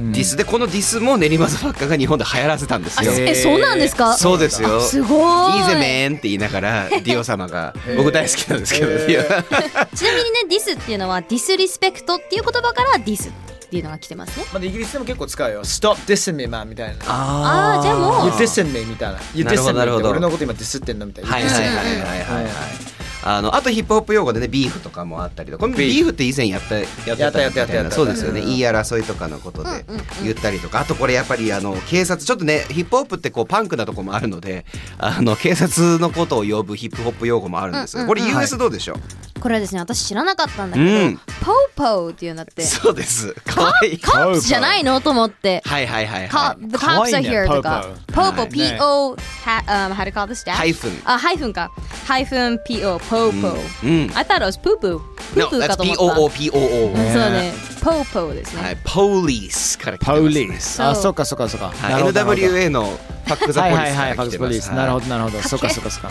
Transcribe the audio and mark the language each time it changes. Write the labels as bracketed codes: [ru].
[ja] ん、ディスで、このディスも練馬ザファッカーが日本で流行らせたんですよ。え、そうなんですか。そうですよ。すごい、ディズメンって言いながらディオ様が僕大好きなんですけど、ちなみにね、ディスっていうのはディスリスペクトっていう言葉からディスっていうのが来てますね。まあ、イギリスでも結構使うよ。 [en] Stop dissing me, man [ja] みたいな。ああ、じゃあもう。 [en] You dissing me [ja] みたいな。 [en] You dissing me [ja] って俺のこと今ディスってんのみたいな。はいはいはいはいはい。あの、あとヒップホップ用語でね、ビーフとかもあったりとか、ビーフって以前やったやったやったやったやった、そうですよね、うん、言い争いとかのことで言ったりとか、あとこれやっぱりあの警察、ちょっとねヒップホップってこうパンクなとこもあるので、あの警察のことを呼ぶヒップホップ用語もあるんです、うんうんうん、これ US どうでしょう、はい、これはですね、私知らなかったんだけど、うん、ポーポーっていうんだって、そうです、かわいい、カープスじゃないのと思って、はいはいはいはい、 [en] The cops are here [ja] とか、ポーポー [en] PO How do you call this? [ja] ハイフン、あ、ハイフンか、ハイフン PO、ポーポー、うん、 [en] I thought it was poo poo、 No, that's P-O-O, P-O-O、 [ja] そうね、ポーポーですね、はい、ポーリースから来てますね、ポーリース、あ、そうかそうかそうか、はい、NWA のファックザポリースから来てます、はいはいはい、ファックザポリース、はい、なるほどなるほど、そうかそうかそうか、